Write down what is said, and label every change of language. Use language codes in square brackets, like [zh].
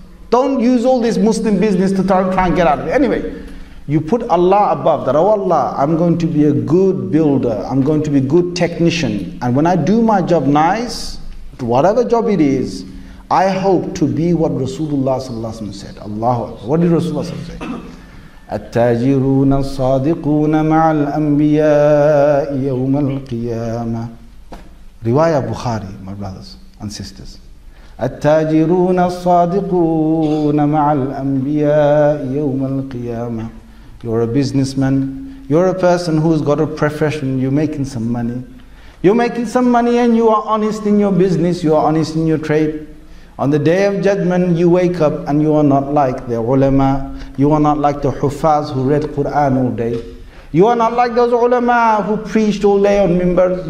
[en] Don't use all this Muslim business to try and get out of it. Anyway, you put Allah above that. Oh Allah, I'm going to be a good builder. I'm going to be a good technician. And when I do my job nice, whatever job it is, I hope to be what Rasulullah sallallahu alaihi wasallam said. Allahu Akbar. What did Rasulullah sallallahu alaihi wasallam say? [ar] التاجرون الصادقون مع الأنبياء يوم القيامة. [en] Riwayah Bukhari, my brothers and sisters. [ar] التاجرون الصادقون مع الأنبياء يوم القيامة. [en] You're a businessman. You're a person who's got a profession. You're making some money. You're making some money and you are honest in your business. You are honest in your trade. On the day of judgment, you wake up and you are not like the ulama. You are not like the huffaz who read Quran all day. You are not like those ulama who preached all day on mimbers.